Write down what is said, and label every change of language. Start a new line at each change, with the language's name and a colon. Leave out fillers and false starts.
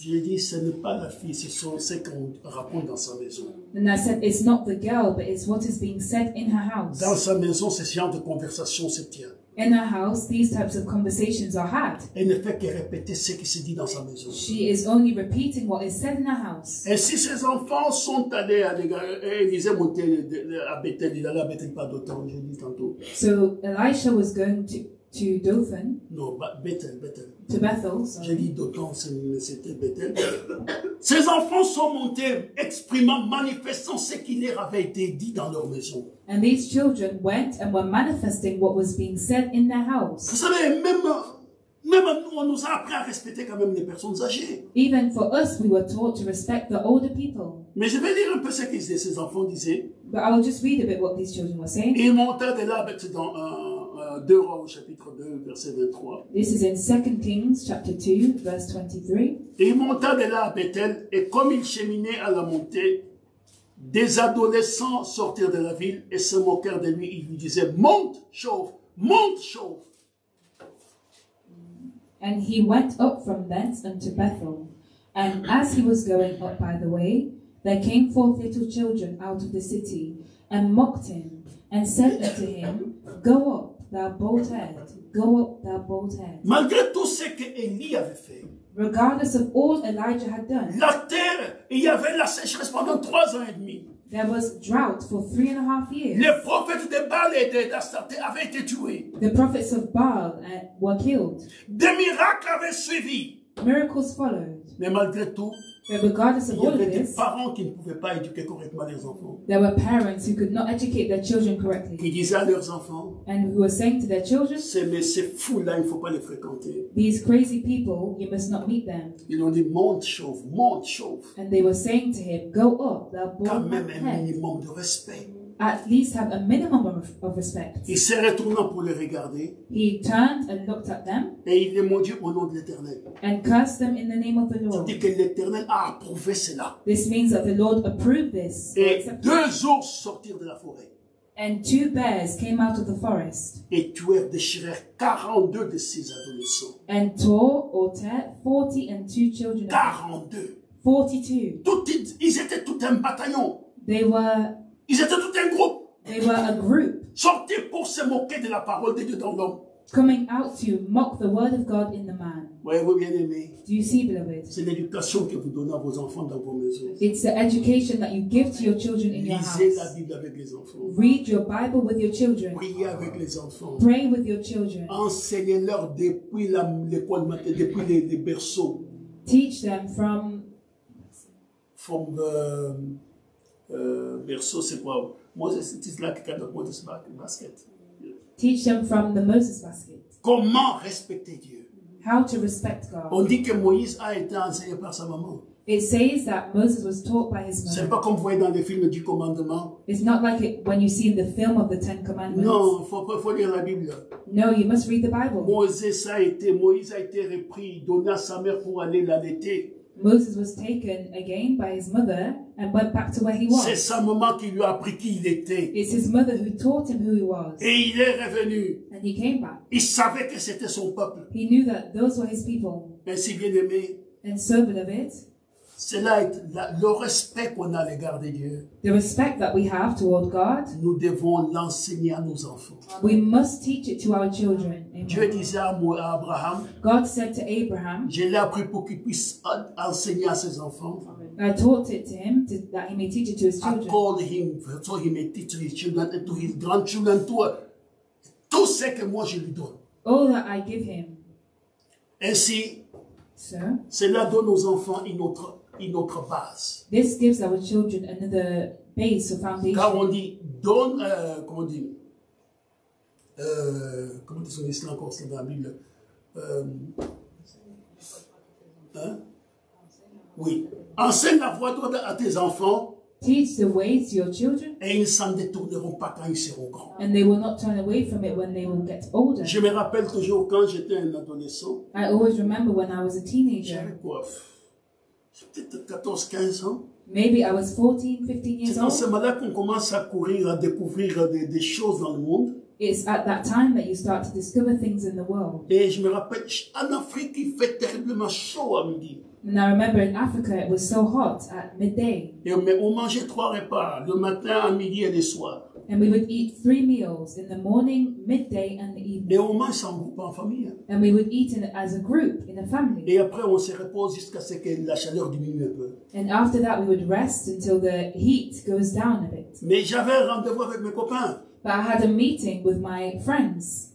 French: Je lui dis, ce n'est pas la fille, ce sont ce qu'on raconte dans sa maison.
English: And I said, it's not the girl, but it's what is being said in her house.
French: Dans sa maison, ce genre de conversation se tient.
English: In her house, these types of conversations are had.
French: Elle ne fait que répéter ce qui se dit dans sa maison.
English: She is only repeating what is said in her house.
French: Et si ses enfants sont allés à l'église, ils disaient monter à Bethel, il allait à Bethel, pas d'autant, je dis tantôt.
English: So Elisha was going to to Dothan. No, but Bethel. To Bethel, sorry.
French: J'ai dit Dothan, c'était Bethel. Ses enfants sont montés, exprimant, manifestant ce qui leur avait été dit dans leur maison.
English: And these children went and were manifesting what was being said in their house.
French: Vous savez, même nous, on nous a appris à respecter quand même les personnes âgées.
English: Even for us, we were taught to respect the older people.
French: Mais je vais lire un peu ce que ces enfants disaient.
English: But I will just read a bit what these children were saying.
French: Ils montaient de là, c'est dans 2 Rois au chapitre 2, verset 23.
English: This is in 2 Kings, chapter 2, verse 23.
French: Ils montaient de là à Bethel, et comme ils cheminaient à la montée, des adolescents sortirent de la ville et se moquèrent de lui. Ils lui disaient, monte, chauve, monte, chauve.
English: And he went up from thence unto Bethel. And as he was going up by the way, there came forth little children out of the city, and mocked him, and said unto him, go up, thou bold head, go up, thou bold head.
French: Malgré tout ce que Élie avait fait,
English: regardless of all Elijah had done,
French: la terre, il y avait la sécheresse pendant 3 ans et demi.
English: There was drought for 3.5 years.
French: Les prophètes de Baal et d'Astarté avaient été tués.
English: The prophets of Baal were killed.
French: Des miracles avaient suivi.
English: Miracles followed.
French: Mais malgré tout,
English: but regardless of
French: il y avait
English: all of
French: des
English: this,
French: parents qui ne pouvaient pas éduquer correctement les enfants.
English: There were parents who could not educate their children correctly.
French: Qui disaient à leurs enfants,
English: and who were saying to their children,
French: ces fous là, il ne faut pas les fréquenter.
English: These crazy people, you must not meet them.
French: Ils ont dit, monte chauve, monte chauve.
English: And they were saying to him, go up, thou bald head.
French: Quand même un minimum de respect.
English: At least have a minimum of respect.
French: Il s'est retourné pour les regarder.
English: He turned and looked at them.
French: Et il les maudit au nom de l'Éternel.
English: And cursed them in the name of the Lord.
French: C'est-à-dire que l'Éternel a approuvé cela.
English: This means that the Lord approved this.
French: Et deux ours sortirent de la forêt.
English: And two bears came out of the forest.
French: Et tuèrent, déchirèrent 42 de ces adolescents.
English: And tore or tear 40 and two children.
French: 42.
English: 42.
French: Ils étaient tout un bataillon.
English: They were.
French: Ils étaient tout un groupe.
English: They were a group.
French: Sortir pour se moquer de la parole de Dieu dans l'homme.
English: Coming out to mock the word of God in the man.
French: Voyez-vous, bien-aimés.
English: Do you see, beloved?
French: C'est l'éducation que vous donnez à vos enfants dans vos maisons.
English: It's the education that you give to your children in
French: lisez
English: your house.
French: La Bible avec les enfants.
English: Read your Bible with your children.
French: Priez avec les enfants.
English: Pray with your children.
French: Enseignez-leur depuis l'école maternelle, depuis les berceaux.
English: Teach them from. From the.
French: Berceau, c'est quoi?
English: Moses, it is like the Moses basket. Yeah. Teach them from the Moses basket.
French: Comment respecter Dieu?
English: How to respect God?
French: On dit que Moïse a été enseigné par sa maman.
English: It says that Moses was taught by his mother.
French: C'est pas comme vous voyez dans les films du commandement.
English: It's not like it when you see in the film of the Ten Commandments.
French: Non, faut lire la Bible.
English: No, you must read the Bible.
French: Moïse a été repris, donné à sa mère pour aller l'allaiter.
English: Moses was taken again by his mother and went back to where he was.
French: C'est sa maman qui lui a appris qui il était.
English: It's his mother who taught him who he was.
French: Et il est revenu.
English: And he came back.
French: Il savait que c'était son peuple.
English: He knew that those were his people.
French: Ainsi bien-aimé.
English: And so beloved.
French: C'est là le respect qu'on a à l'égard de Dieu.
English: The respect that we have toward God.
French: Nous devons l'enseigner à nos enfants.
English: We must teach it to our children.
French: Amen. Dieu disait à Abraham.
English: God said to Abraham.
French: Je l'ai appris pour qu'il puisse enseigner à ses enfants.
English: I taught it to him that he may teach it to his children. I called him so he may teach to his children and to his grandchildren to
French: tout ce que moi je lui donne.
English: All that I give him.
French: Ainsi.
English: Sir,
French: cela donne aux enfants une autre base.
English: This gives our children another base or foundation.
French: Car on dit, donne, comment dit, comment dit-on cela encore dans la Bible? Oui, enseigne la voie droite à tes enfants.
English: Teach the way to your children.
French: Et ils ne s'en détourneront pas quand ils seront grands.
English: And they will not turn away from it when they will get older.
French: Je me rappelle toujours quand j'étais un adolescent.
English: I always remember when I was a teenager.
French: J'avais quoi? Peut-être 14-15 ans.
English: Maybe I was 14-15 years old.
French: C'est dans ce moment-là qu'on commence à courir, à découvrir des choses dans le monde.
English: It's at that time that you start to discover things in the world.
French: Et je me rappelle, en Afrique, il fait terriblement chaud à midi.
English: And I remember in Africa, it was so hot at midday.
French: Mais on mangeait 3 repas, le matin, à midi et le soir.
English: And we would eat 3 meals in the morning, midday and the evening.
French: Et on mange en groupe, en famille.
English: And we would eat as a group, in a family.
French: Et après, on se repose jusqu'à ce que la chaleur diminue un peu.
English: And after that, we would rest until the heat goes down a bit.
French: Mais j'avais rendez-vous avec mes copains.
English: But I had a meeting with my friends.